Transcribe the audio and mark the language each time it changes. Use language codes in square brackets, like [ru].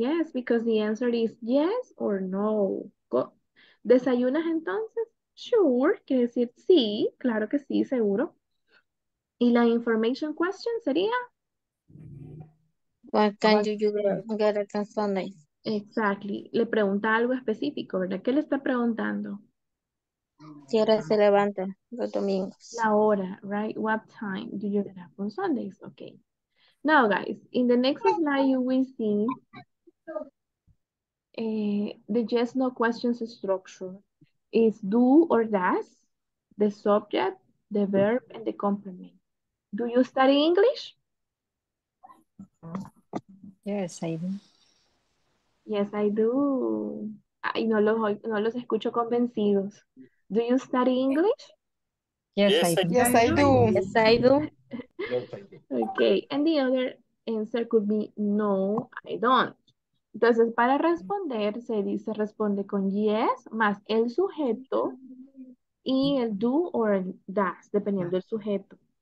[en] Yes, because the answer is yes or no. [es] ¿Desayunas entonces? [en] Sure, [es] quiere decir sí, claro que sí, seguro. ¿Y la information question sería? [en] What time do you get up on Sundays? Exactly. [es] Le pregunta algo específico, ¿verdad? ¿Qué le está preguntando? ¿Qué hora se levanta los domingos? La hora, [en] right? What time do you get up on Sundays? Okay. Now, guys, in the next slide, you will see the yes no questions structure is do or does, the subject, the verb, and the complement. Do you study English? Yes, I do. Yes, I do. [es] Ay, no los escucho convencidos. [en] Do you study English? Yes, I do. Okay, and the other answer could be no, I don't. [es] Entonces, para responder, se dice responde con yes más el sujeto y el do or does, dependiendo del sujeto.